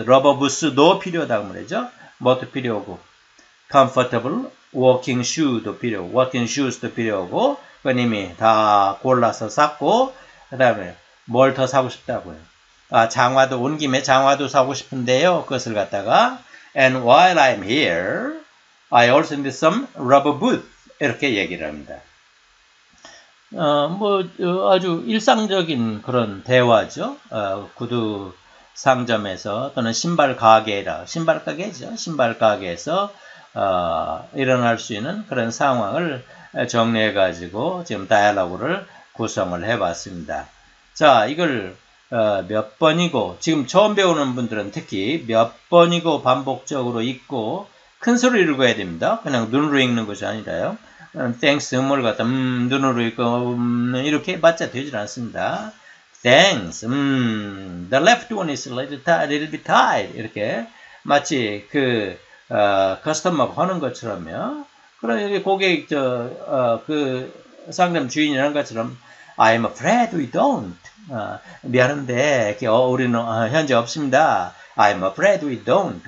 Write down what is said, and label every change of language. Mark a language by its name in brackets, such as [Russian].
[Korean] rubber boots도 필요하다고 말이죠. 뭐도 필요하고. comfortable walking shoe도 필요, walking shoes도 필요하고, 그건 이미 다 골라서 샀고, 그 다음에 뭘더 사고 싶다고요? 아, 장화도, 온 김에 장화도 사고 싶은데요. 그것을 갖다가, [English] and while I'm here, I also need some rubber boots. [Korean] 이렇게 얘기를 합니다. 뭐, 아주 일상적인 그런 대화죠. 구두 상점에서, 또는 신발 가게라, 신발 가게죠. 신발 가게에서, 일어날 수 있는 그런 상황을 정리해 가지고 지금 다이얼로그를 구성을 해 봤습니다. 자, 이걸 몇 번이고 지금 처음 배우는 분들은 특히 몇 번이고 반복적으로 읽고 큰 소리로 읽어야 됩니다. 그냥 눈으로 읽는 것이 아니라요. Thanks 뭘 갖다 눈으로 읽고 이렇게 맞자 되질 않습니다. Thanks. [English] The left one is a little bit tight. [Korean] 이렇게 마치 그 커스터머가 하는 것처럼요. 그럼 여기 고객 그 상점 주인이 하는 것처럼 [English] I am afraid we don't. [Korean] 미안한데 이렇게 우리는 현재 없습니다. [English] I am afraid we don't.